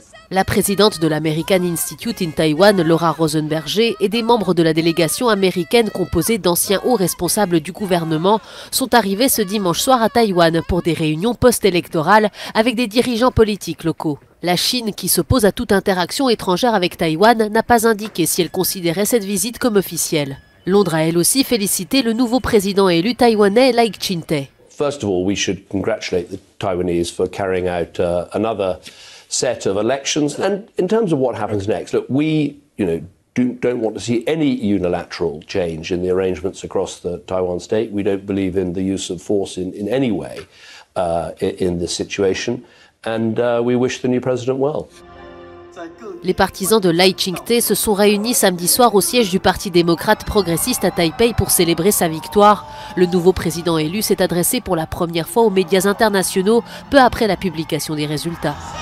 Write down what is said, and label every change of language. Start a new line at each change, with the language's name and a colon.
French: La présidente de l'American Institute in Taiwan, Laura Rosenberger, et des membres de la délégation américaine composée d'anciens hauts responsables du gouvernement sont arrivés ce dimanche soir à Taïwan pour des réunions post-électorales avec des dirigeants politiques locaux. La Chine, qui s'oppose à toute interaction étrangère avec Taïwan, n'a pas indiqué si elle considérait cette visite comme officielle. Londres a elle aussi félicité le nouveau président élu taïwanais, Lai Ching-te.
English: First of all, we should congratulate the Taiwanese for carrying out another set of elections. And in terms of what happens next, look, we, you know, don't want to see any unilateral change in the arrangements across the Taiwan state. We don't believe in the use of force in any way in this situation. And we wish the new president well.
French: Les partisans de Lai Ching-te se sont réunis samedi soir au siège du Parti démocrate progressiste à Taipei pour célébrer sa victoire. Le nouveau président élu s'est adressé pour la première fois aux médias internationaux peu après la publication des résultats.